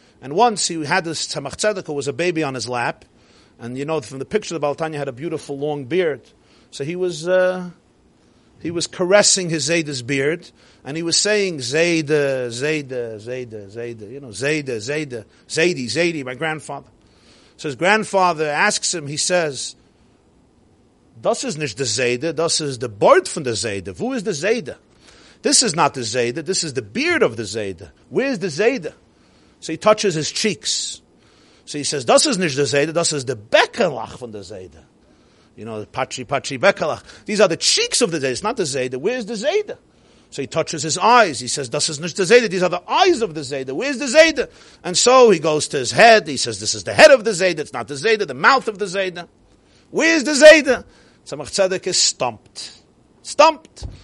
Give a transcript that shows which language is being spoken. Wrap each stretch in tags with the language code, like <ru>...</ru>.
<en>And once he had this Tzemach Tzedek, who was a baby on his lap. And you know, from the picture, the Baal HaTanya had a beautiful long beard. So he was caressing his Zayda's beard. And he was saying, Zayda, Zayda, Zayda, Zayda, you know, Zayda, Zayda, Zaydi, Zaydi, my grandfather. So his grandfather asks him, he says,</en> <de>das ist nicht der Zayda, das ist der Bart von der Zayda. Wo ist der Zayda?</de> <en>This is not the Zayda, this is the beard of the Zayda. Where is the Zayda? So he touches his cheeks. So he says,</en> <de>das ist nicht der Zayda, das ist der Beckelach von der Zayda.</de> <en>You know, Pachi, Pachi, Beckelach. These are the cheeks of the Zayda, it's not the Zayda. Where is the Zayda? So he touches his eyes. He says,</en> <de>das ist nicht der Zayda,</de> <en>these are the eyes of the Zayda. Where is the Zayda? And so he goes to his head. He says, this is the head of the Zayda, it's not the Zayda, the mouth of the Zayda. Where is the Zayda? Tzemach Tzedek is stumped. Stumped.</en>